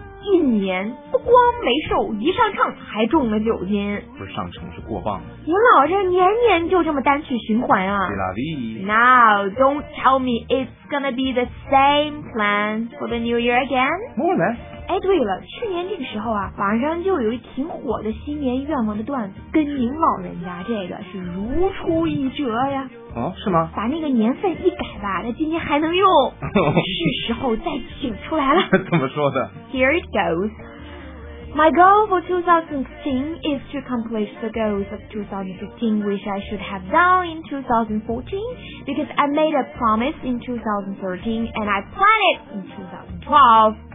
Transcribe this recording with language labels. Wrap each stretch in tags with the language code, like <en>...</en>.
<zh>一年不光没瘦，一上秤还重了9斤。不是上秤，是过磅。您老这年年就这么单曲循环啊</zh> <fr>？C'est la vie.</fr> <en>Now, don't tell me it's gonna be the same plan for the new year again. More or less.</en> <zh>哎，对了，去年这个时候啊，网上就有一挺火的新年愿望的段子，跟您老人家这个是如出一辙呀。哦，是吗？把那个年份一改吧，那今年还能用。是时候再请出来了。怎么说的</zh> <en>？Here it goes. My goal for 2016 is to accomplish the goals of 2015, which I should have done in 2014, because I made a promise in 2013 and I plan it in 2012.</en>